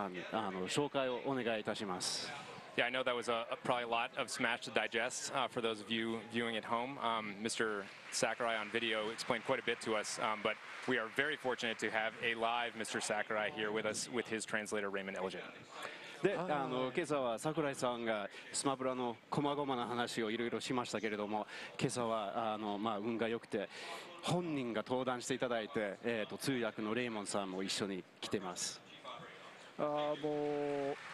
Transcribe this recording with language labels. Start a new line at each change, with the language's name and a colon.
Japanese: 新しいキャラクターが発表されましたけれども、今日は特別にスペシャルゲストが登壇していただいて、ネイトさんの紹介をお願いいたします。
English: Yeah, I know that was probably a lot of Smash to digest for those of you viewing at home. Mr. Sakurai on video explained quite a bit to us, but we are very fortunate to have a live Mr. Sakurai here with us with his translator, Raymond Elgin.
Japanese: で、今朝は桜井さんがスマブラの細々な話をいろいろしましたけれども、今朝は運が良くて、本人が登壇していただいて、通訳のレイモンさんも一緒に来てます。もう